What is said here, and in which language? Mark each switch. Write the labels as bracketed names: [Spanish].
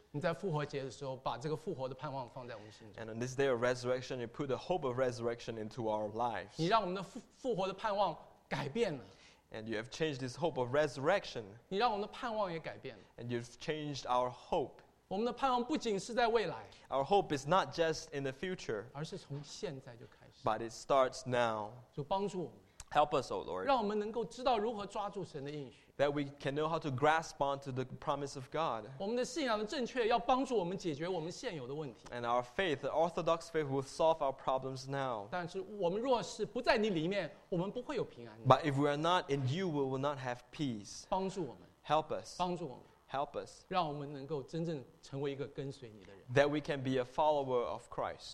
[Chinese] 你在复活节的时候，把这个复活的盼望放在我们心中。 [English] And on this day of resurrection, you put the hope of resurrection into our lives. [Chinese] 你让我们的复活的盼望改变了。 [English] And you have changed this hope of resurrection. [Chinese] 你让我们的盼望也改变了。 [English] And you've changed our hope. [Chinese] 我们的盼望不仅是在未来 [English] ，Our hope is not just in the future， [Chinese] 而是从现在就开始。 [English] But it starts now。 [Chinese] 就帮助我们 [English] ，Help us, O Lord， [Chinese] 让我们能够知道如何抓住神的应许。 [English] That we can know how to grasp onto the promise of God。 [Chinese] 我们的信仰的正确要帮助我们解决我们现有的问题。 [English] And our faith, the orthodox faith, will solve our problems now。 [Chinese] 但是我们若是不在你里面，我们不会有平安。 [English] But if we are not in you, we will not have peace。 [Chinese] 帮助我们 [English] ，Help us。 [Chinese] 帮助我们。 [English] Help us. [Chinese] 让我们能够真正成为一个跟随你的人。 [English] That we can be a follower of Christ.